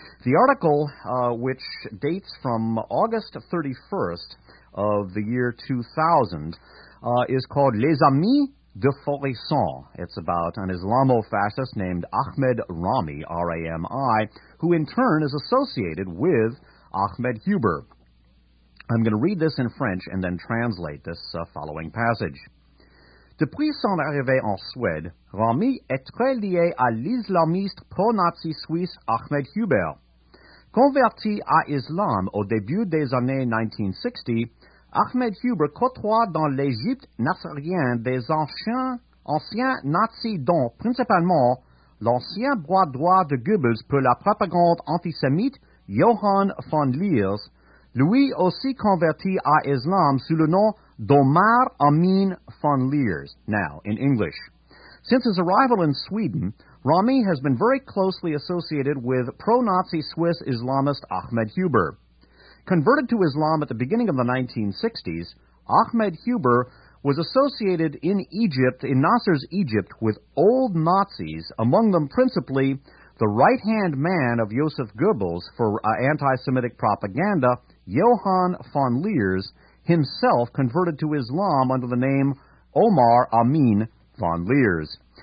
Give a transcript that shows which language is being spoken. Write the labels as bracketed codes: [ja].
[en] The article, which dates from August 31st of the year 2000, is called Les Amis de Faurisson. It's about an Islamo-fascist named Ahmed Rami, R-A-M-I, who in turn is associated with Ahmed Huber. I'm going to read this in French and then translate this following passage. [fr] Depuis son arrivée en Suède, Rami est très lié à l'islamiste pro-Nazi suisse Ahmed Huber. Converti à Islam au début des années 1960, Ahmed Huber côtoie dans l'Égypte nazarienne des anciens nazis dont principalement l'ancien bras droit de Goebbels pour la propagande antisémite Johann von Liers, lui aussi converti à Islam sous le nom d'Omar Amin von Liers. [en] Now, in English. Since his arrival in Sweden, Rami has been very closely associated with pro-Nazi Swiss Islamist Ahmed Huber. Converted to Islam at the beginning of the 1960s, Ahmed Huber was associated in Egypt, in Nasser's Egypt, with old Nazis, among them principally the right-hand man of Joseph Goebbels for anti-Semitic propaganda, Johann von Liers, himself converted to Islam under the name Omar Amin von Liers.